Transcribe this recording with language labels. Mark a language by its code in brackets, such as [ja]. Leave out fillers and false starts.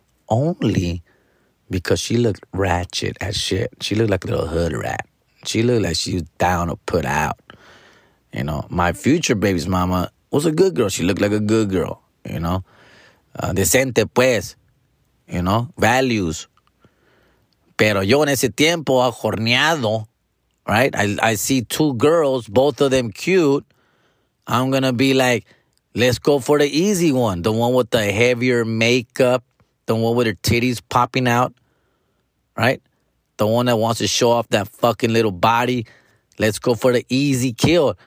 [en] Only because she looked ratchet as shit. She looked like a little hood rat. She looked like she was down or put out. You know, my future baby's mama was a good girl. She looked like a good girl, you know. [es] Decente pues, [en] you know, values. [es] Pero yo en ese tiempo ajorneado. [en] Right? I see two girls, both of them cute. I'm going to be like, let's go for the easy one. The one with the heavier makeup. The one with her titties popping out. Right? The one that wants to show off that fucking little body. Let's go for the easy kill.